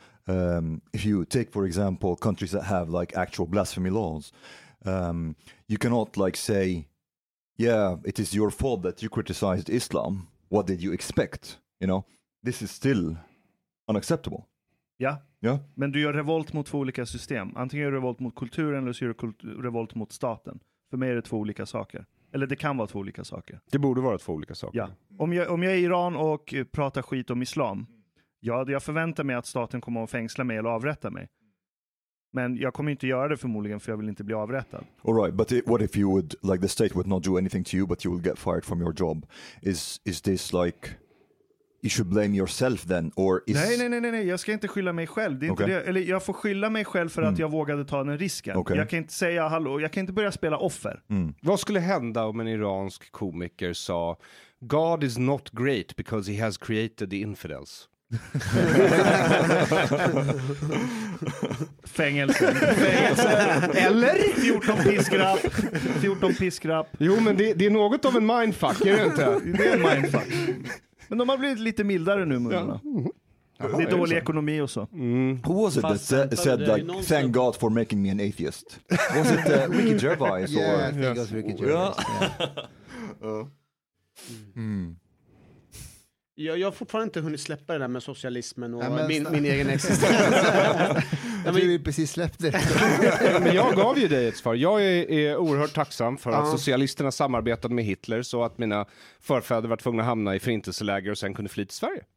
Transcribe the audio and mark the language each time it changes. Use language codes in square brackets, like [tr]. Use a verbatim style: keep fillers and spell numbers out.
[en] Um, if you take, for example, countries that have like actual blasphemy laws, um, you cannot like say, yeah, it is your fault that you criticized Islam. what did you expect? You know, this is still unacceptable. [sv] Ja, [en] yeah. [sv] Men du gör revolt mot två olika system. Antingen gör du revolt mot kulturen eller så gör du revolt mot staten. För mig är det två olika saker. Eller det kan vara två olika saker. Det borde vara två olika saker. Ja. Om jag, om jag är i Iran och pratar skit om islam, ja, jag förväntar mig att staten kommer att fängsla mig eller avrätta mig. Men jag kommer inte göra det förmodligen för jag vill inte bli avrättad. [en] All right, but it, what if you would, like the state would not do anything to you but you will get fired from your job? Is, is this like... You should blame yourself then, or is... [sv] Nej, nej, nej, nej, jag ska inte skylla mig själv. Det är okay. inte det. Eller jag får skylla mig själv för att mm. jag vågade ta den risken. Okay. Jag kan inte säga hallå, jag kan inte börja spela offer. Mm. Vad skulle hända om en iransk komiker sa [en] God is not great because he has created the infidels? [sv] Fängelse. Fängelse. Eller fjorton piskrapp. fjorton piskrapp. Jo, men det, det är något av en mindfuck, är det inte? Det är en mindfuck. Men de har blivit lite mildare nu, munnen. Ja. Det är dålig ekonomi och så. Mm. [en] Who was it that said, said like, thank God for making me an atheist? Was it uh, Ricky Gervais? Yeah, I think yes. it was Ricky Gervais. Yeah. uh. mm. [sv] jag, jag har fortfarande inte hunnit släppa det där med socialismen och ja, men, min, min egen existens. Jag tror vi precis släppte det. Men jag gav ju dig ett svar. Jag är, är oerhört tacksam för att uh. socialisterna samarbetade med Hitler så att mina förfäder var tvungna att hamna i förintelseläger och sen kunde fly till Sverige.